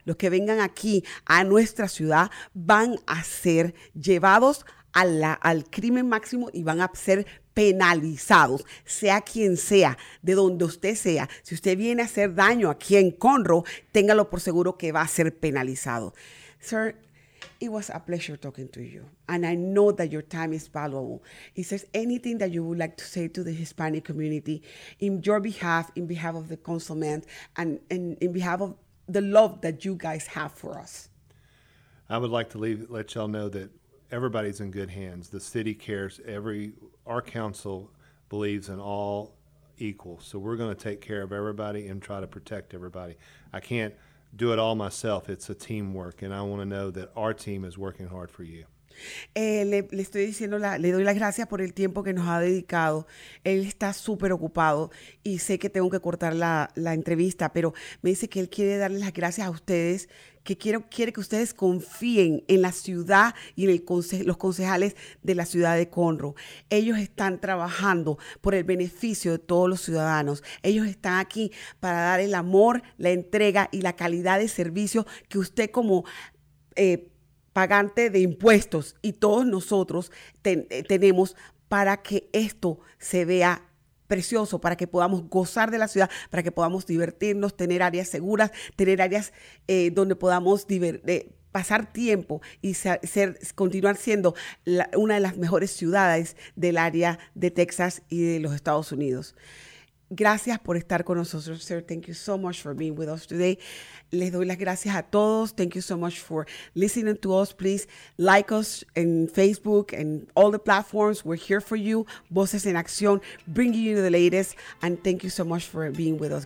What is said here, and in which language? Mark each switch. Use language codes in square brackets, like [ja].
[es] Los que vengan aquí a nuestra ciudad van a ser llevados al crimen máximo y van a ser penalizados, sea quien sea, de donde usted sea. Si usted viene a hacer daño aquí en Conroe, téngalo por seguro que va a ser penalizado. [en] Sir, it was a pleasure talking to you, and I know that your time is valuable. Is there anything that you would like to say to the Hispanic community in your behalf, in behalf of the councilman, and in behalf of the love that you guys have for us? I would like to let y'all know that everybody's in good hands. The city cares. Our council believes in all equal. So we're going to take care of everybody and try to protect everybody. I can't do it all myself. It's a teamwork, and I want to know that our team is working hard for you. [es] Le estoy diciendo, le doy las gracias por el tiempo que nos ha dedicado. Él está súper ocupado y sé que tengo que cortar la entrevista, pero me dice que él quiere darle las gracias a ustedes, que quiere que ustedes confíen en la ciudad y en los concejales de la ciudad de Conroe. Ellos están trabajando por el beneficio de todos los ciudadanos. Ellos están aquí para dar el amor, la entrega y la calidad de servicio que usted como pagante de impuestos y todos nosotros tenemos para que esto se vea precioso para que podamos gozar de la ciudad, para que podamos divertirnos, tener áreas seguras, tener áreas donde podamos pasar tiempo y continuar siendo una de las mejores ciudades del área de Texas y de los Estados Unidos. Gracias por estar con nosotros, sir. [en] Thank you so much for being with us today. [es] Les doy las gracias a todos. [en] Thank you so much for listening to us. Please like us in Facebook and all the platforms. We're here for you. Voces en Acción, bringing you the latest. And thank you so much for being with us.